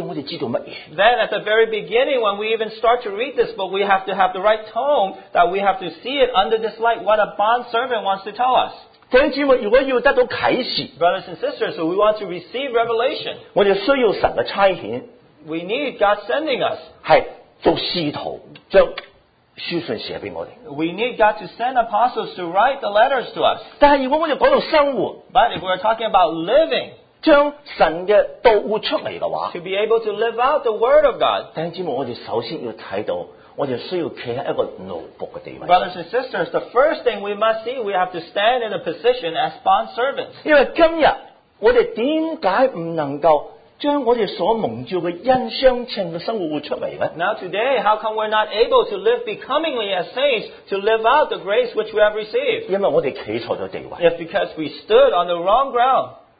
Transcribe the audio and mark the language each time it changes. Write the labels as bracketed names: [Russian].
[English] Then at the very beginning, when we even start to read this book, we have to have the right tone that we have to see it under this light, what a bondservant wants to tell us. [Chinese] 弟兄姊妹, [English] Brothers and sisters, so we want to receive revelation. We need God sending us. [Chinese] 做使徒,将书信写给我们。 [English] We need God to send apostles to write the letters to us. [Chinese] 但是如果我们讲到生活, [English] but if we're talking about living, [Chinese] 将神的道活出来的话, [English] to be able to live out the word of God, [Chinese] 但是我们首先要看到, 我们需要站在一个奴仆的地位。 [English] Brothers and sisters, the first thing we must see, we have to stand in a position as bond servants. [Chinese] 因为今天,我们为什么不能够 将我们所蒙召的恩相称的生活活出来呢? [English] Now today, how come we're not able to live becomingly as saints to live out the grace which we have received? [Chinese] 因为我们站错了地位。 [English] If because we stood on the wrong ground,